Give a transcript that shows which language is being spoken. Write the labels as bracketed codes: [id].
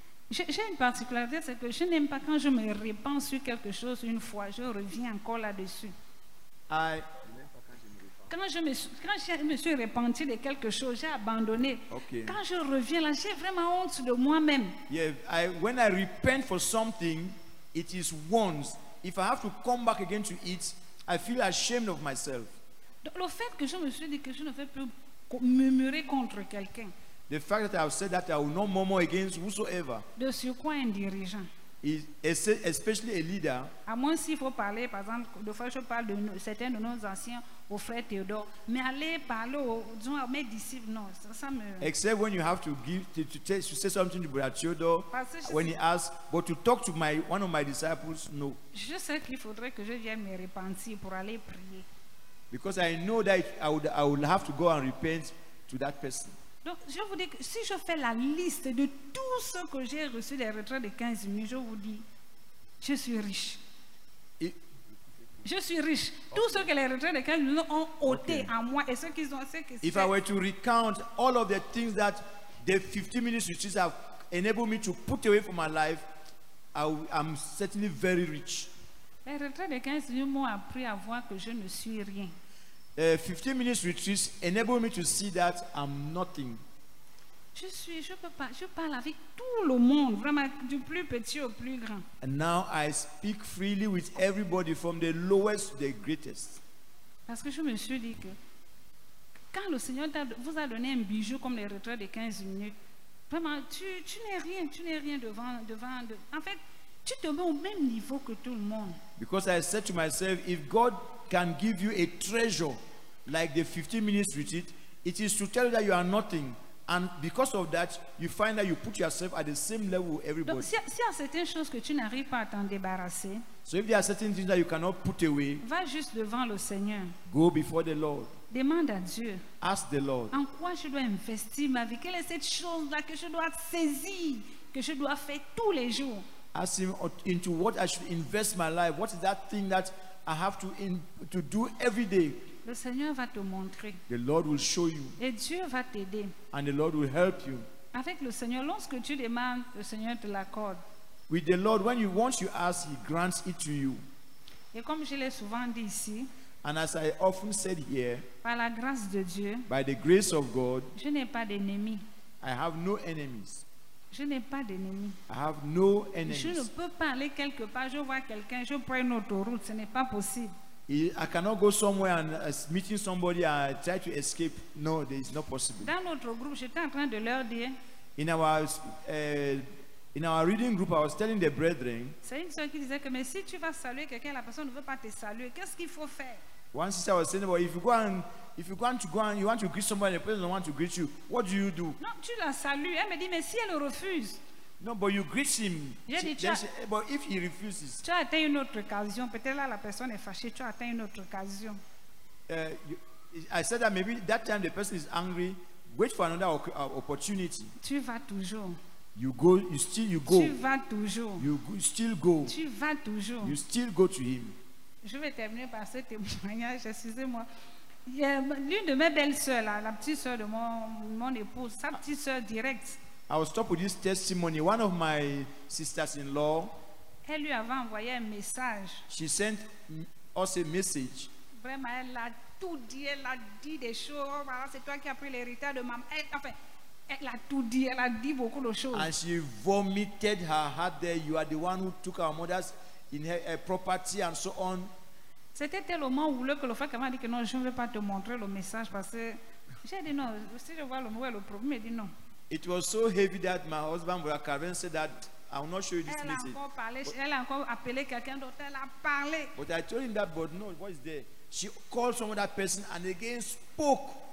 [fr] J'ai une particularité, c'est que je n'aime pas quand je me répands sur quelque chose une fois, je reviens encore là-dessus. Quand je me suis repenti de quelque chose, j'ai abandonné. [en] Okay. [fr] Quand je reviens là, j'ai vraiment honte de moi-même. [en] Yeah, when I repent for something, it is once. If I have to come back again to it, I feel ashamed of myself. [fr] Donc, le fait que je me suis dit que je ne vais plus murmurer contre quelqu'un. [en] The fact that I have said that I will not murmur against whosoever. [fr] De sur quoi un dirigeant. [en] Especially a leader. [fr] À moins s'il faut parler, par exemple, de fois je parle de certains de nos anciens, au frère Théodore, mais aller parler disons à mes disciples, non, ça me. [en] Except when you have to give to say something to Brother Théodore, when [fr] sais, [en] he asks, but to talk to my one of my disciples, no. [fr] Je sais qu'il faudrait que je vienne me repentir pour aller prier. [en] Because I know that I would have to go and repent to that person. [fr] Donc, je vous dis que si je fais la liste de tout ce que j'ai reçu des retraits de 15 minutes, je vous dis, je suis riche. Je suis riche. Okay. Tout ce que les retraits de 15 minutes ont ôté à moi et ce qu'ils ont fait. Que [en] if I were to recount all of the things that the 15 minutes which have enabled me to put away from my life, I'm certainly very rich. [fr] Les retraits de 15 minutes m'ont appris à voir que je ne suis rien. [en] 15 minutes retreat enable me to see that I'm nothing. [fr] Je parle avec tout le monde, vraiment du plus petit au plus grand. [en] And now I speak freely with everybody from the lowest to the greatest. [fr] Parce que je me suis dit que quand le Seigneur vous a donné un bijou comme les retraits de 15 minutes, vraiment tu n'es rien devant en fait, tu te mets au même niveau que tout le monde. [en] Because I said to myself, if God can give you a treasure like the 15 minutes retreat, it is to tell you that you are nothing, and because of that you find that you put yourself at the same level with everybody. [fr] Donc, si y a certaines choses que tu n'arrives pas à t'en débarrasser, [en] so if there are certain things that you cannot put away, [fr] va juste devant le Seigneur. [en] Go before the Lord. [fr] Demande à Dieu. [en] Ask the Lord. [fr] En quoi je dois investir ma vie? Quelle est cette chose là que je dois saisir, que je dois faire tous les jours? [en] Ask him into what I should invest my life. What is that thing that I have to do every day? [fr] Le Seigneur va te montrer. [en] The Lord will show you. [fr] Et Dieu va t'aider. [en] And the Lord will help you. [fr] Avec le Seigneur, lorsque tu demandes, le Seigneur te l'accorde. [en] With the Lord, when you once you ask, he grants it to you. [fr] Et comme je l'ai souvent dit ici, [en] and as I often said here, [fr] par la grâce de Dieu, [en] by the grace of God, [fr] je n'ai pas d'ennemis. [en] I have no enemies. [fr] Je n'ai pas d'ennemis. [en] I have no enemies. [fr] Je ne peux pas aller quelque part, je vois quelqu'un, je prends une autoroute, ce n'est pas possible. [en] I cannot go somewhere and meeting somebody and try to escape. No, there is not possible. [fr] Dans notre groupe, j'étais en train de leur dire. [en] In our reading group, I was telling the brethren. [fr] C'est une soeur qui disait que mais si tu vas saluer quelqu'un, la personne ne veut pas te saluer. Qu'est-ce qu'il faut faire? [en] One sister was saying, well, if you want to greet somebody, the person doesn't want to greet you, what do you do? [fr] Non, tu la salues. Elle me dit, mais si elle refuse. [en] No, but you greet him. But if he refuses. [fr] Tu as atteint une autre occasion. Peut-être là la personne est fâchée. Tu as atteint une autre occasion. [en] I said that maybe that time the person is angry. Wait for another opportunity. [fr] Tu vas toujours. [en] You go. You still. You go. [fr] Tu vas toujours. [en] You still go. [fr] Tu vas toujours. [en] You still go to him. [fr] Je vais terminer par ce témoignage. Excusez-moi. L'une de mes belles sœurs, la petite sœur de mon épouse, sa petite sœur directe. [en] I will stop with this testimony. One of my sisters-in-law. [fr] Elle lui avait envoyé un message. [en] She sent us a message. [fr] Vraiment, elle l'a tout dit, elle a dit des choses. Voilà, c'est toi qui as pris l'héritage de maman. Elle a tout dit, elle a dit beaucoup de choses. [en] And she vomited her heart there. You are the one who took our mother's in her property and so on. [fr] C'était tellement houleux que le frère m'a dit que non, je ne veux pas te montrer le message parce que j'ai dit non. Si je vois le mot, le problème, il dit non. [en] It was so heavy that my husband, Brother Karen, said that I will not show you this message. [fr] Elle a encore parlé, elle a encore appelé quelqu'un d'autre, elle a parlé. [en] But I told him that, but no, what is there? She called some other person and again spoke.